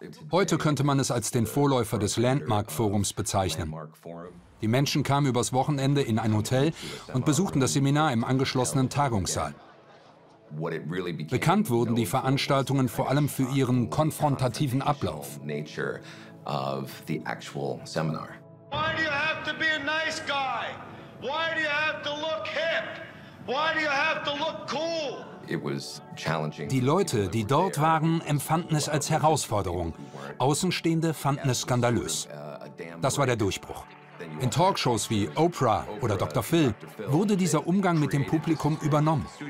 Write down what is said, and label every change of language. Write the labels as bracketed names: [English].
[German] Heute könnte man es als den Vorläufer des Landmark-Forums bezeichnen. Die Menschen kamen übers Wochenende in ein Hotel und besuchten das Seminar im angeschlossenen Tagungssaal. Bekannt wurden die Veranstaltungen vor allem für ihren konfrontativen Ablauf. [English] Why do you have to be a nice guy? Why do you have to look hip? Why do you have to look cool? [German] Die Leute, die dort waren, empfanden es als Herausforderung. Außenstehende fanden es skandalös. Das war der Durchbruch. In Talkshows wie Oprah oder Dr. Phil wurde dieser Umgang mit dem Publikum übernommen.